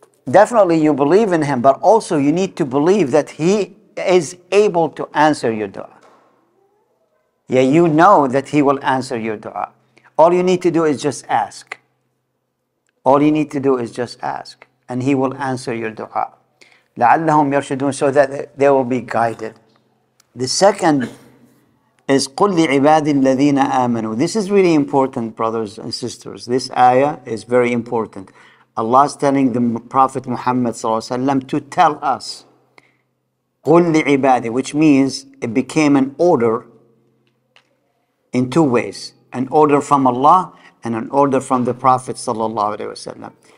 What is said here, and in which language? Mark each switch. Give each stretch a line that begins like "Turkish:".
English: Definitely you believe in Him, but also you need to believe that He is able to answer your dua. Yeah, you know that He will answer your dua. All you need to do is just ask. All you need to do is just ask, and He will answer your dua.
Arabic: لَعَلَّهُمْ يَرْشُدُونَ,
English: so that they will be guided. The second is
Arabic: قُلْ لِعِبَادِ الَّذِينَ آمَنُوا.
English: This is really important, brothers and sisters. This ayah is very important. Allah is telling the Prophet Muhammad ﷺ to tell us,
Arabic: قُلْ لِعِبَادِ,
English: which means it became an order in two ways, an order from Allah and an order from the Prophet ﷺ.